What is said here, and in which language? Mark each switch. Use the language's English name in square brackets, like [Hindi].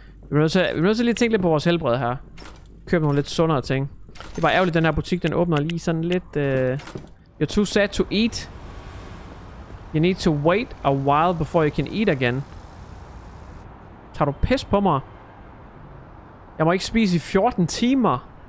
[Danish] Vi må også lige tænke lidt på vores helbred her. Køb nogle lidt sundere ting. Det er bare ærgerligt, den her butik, den åbner lige sådan lidt... [English] You're too sad to eat. You need to wait a while before you can eat again. [Danish] Tager du pis på mig? Jeg må ikke spise i 14 timer.